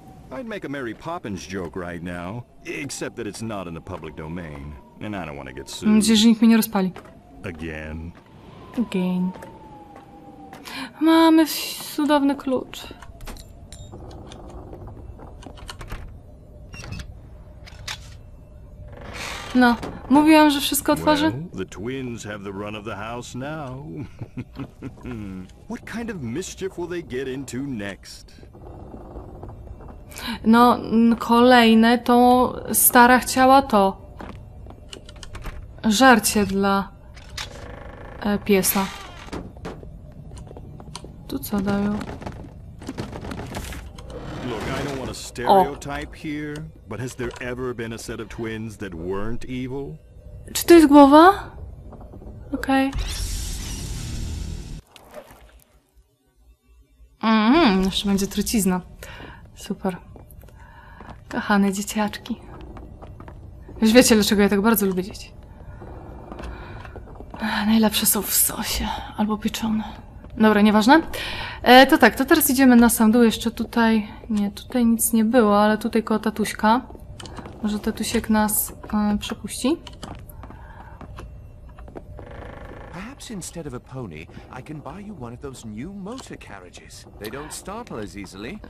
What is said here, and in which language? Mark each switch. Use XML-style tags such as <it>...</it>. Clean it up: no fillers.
<en>I'd make a Mary Poppins joke right now, except that it's not in the public domain, and I don't want to get sued.</en> <pl>Myślę, że nikt mnie nie rozpali.</pl> <en>Again.</en> <pl>Mamy cudowny klucz. No, mówiłam, że wszystko otworzy.</pl> <en>Well, the twins have the run of the house now. What kind of mischief will they get into next?</en> <pl>No, kolejne to stara chciała to. Żarcie dla piesa. Tu co dają?</pl> <en>Look, I don't want to stereotype here, but has there ever been a set of twins that weren't evil?</en> <pl>Czy to jest głowa? Okej. Jeszcze będzie trucizna. Super. Kochane dzieciaczki. Już wiecie, dlaczego ja tak bardzo lubię dzieci. Najlepsze są w sosie albo pieczone. Dobra, nieważne. To tak, to teraz idziemy na sam dół. Jeszcze tutaj... Nie, tutaj nic nie było, ale tutaj koło tatuśka. Może tatusiek nas przepuści.</pl> <en>Perhaps instead of a pony, I can buy you one of those new motor carriages. They don't startle as easily.</en>